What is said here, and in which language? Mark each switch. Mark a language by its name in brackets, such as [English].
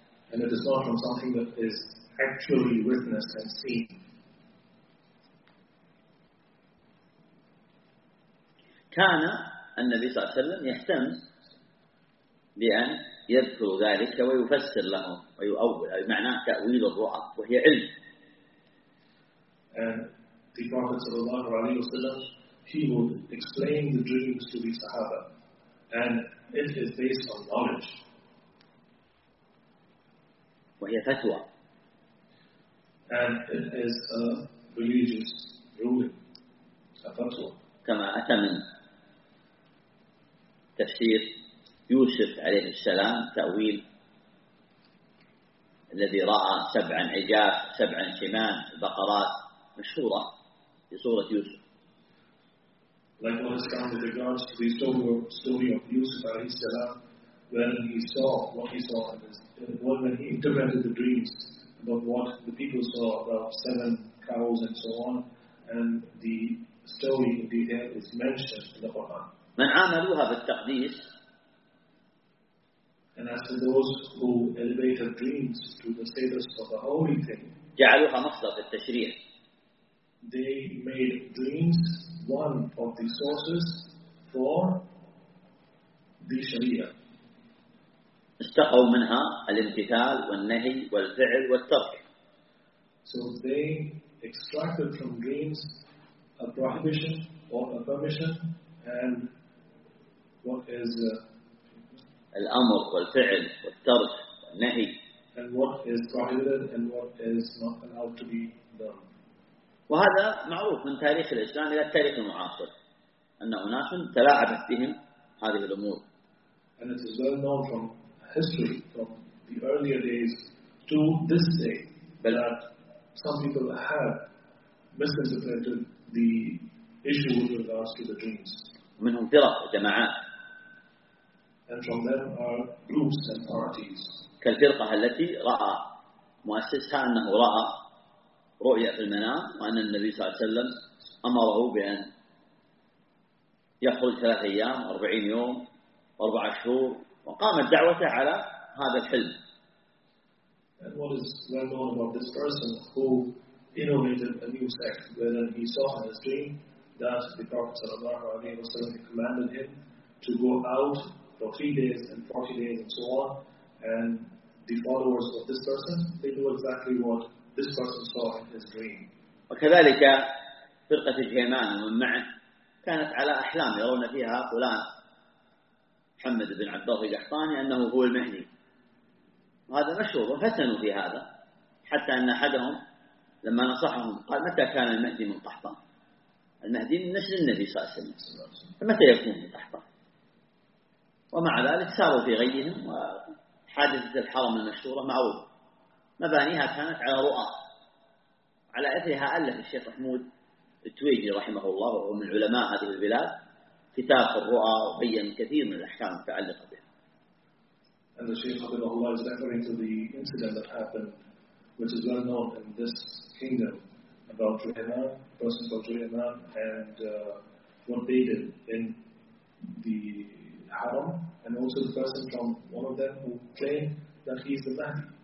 [English] And it is not from something that is actually witnessed and seen. [Arabic] كان النبي صلى الله عليه وسلم يهتم بأن يذكر ذلك ويفسر له ويؤول معنى تأويل الرؤى وهي علم. [English] And the Prophet sallallahu alaihi wasallam, he would explain the dreams to the Sahaba, and it is based on knowledge. [Arabic] وهي فتوى. [English] And it is a religious ruling, a fatwa. [Arabic] كما أتى من تفسير يوسف عليه السلام تأويل. الذي رأى سبع عجاف سبع شمام بقرات. مشهورة في سورة يوسف. [English] Like what is found with regards to the story of Yusuf alayhi salam, when he saw what he saw, when he interpreted the dreams about what the people saw about seven cows and so on, and the story in detail is mentioned in the Quran. [Arabic] من عاملوها بالتقديس. [English] And as to those who elevated dreams to the status of a holy thing, [Arabic] جعلوها مصدر في التشريع. [English] They made dreams one of the sources for the Sharia. [Arabic] استقوا منها الامتثال والنهي والفعل والترك. [English] So they extracted from dreams a prohibition or a permission and what is [Arabic] الأمر والفعل والترك والنهي. [English] And what is prohibited and what is not allowed to be done. [Arabic] وهذا معروف من تاريخ الإسلام إلى التاريخ المعاصر أن أناس تلاعبت بهم هذه الأمور. [English] And it is well known from history, from the earlier days to this day, that some people have misinterpreted the issue with regards to the dreams. [Arabic] ومنهم فرق وجماعات. [English] And from them are groups and parties. [Arabic] كالفرقة التي رأى مؤسسها أنه رأى رؤيا في المنام وأن النبي صلى الله عليه وسلم أمره بأن يخرج ثلاث أيام أربعين يوم أربع شهور وقامت دعوته على هذا الحلم. [English] And what is well known about this person who innovated a new sect when he saw in his dream that the Prophet [Arabic] صلى الله عليه وسلم [English] commanded him to go out for 3 days and 40 days and so on, and the followers of this person, they knew exactly what this person saw in his dream. [Arabic] وكذلك فرقة الجيمان ومن معه كانت على أحلام يرون فيها فلان محمد بن عبد الله القحطاني أنه هو المهدي. وهذا مشهور وفتنوا في هذا حتى أن أحدهم لما نصحهم قال متى كان المهدي من قحطان؟ المهدي من نسل النبي صلى الله عليه وسلم. فمتى يكون من قحطان؟ ومع ذلك ساروا في غيهم وحادثة الحرم المشهورة معروفة. مبانيها كانت على رؤى على أثرها ألف الشيخ محمود التويجي رحمه الله وهو من علماء هذه البلاد كتاب الرؤى وبين كثير من الأحكام المتعلقة بها. [English] And the Shaykh Abdullah Allah is referring to the incident that happened, which is well known in this kingdom about Juhayman, persons of Juhayman, and what they did in the Haram, and also the person from one of them who claimed that he is the Mahdi.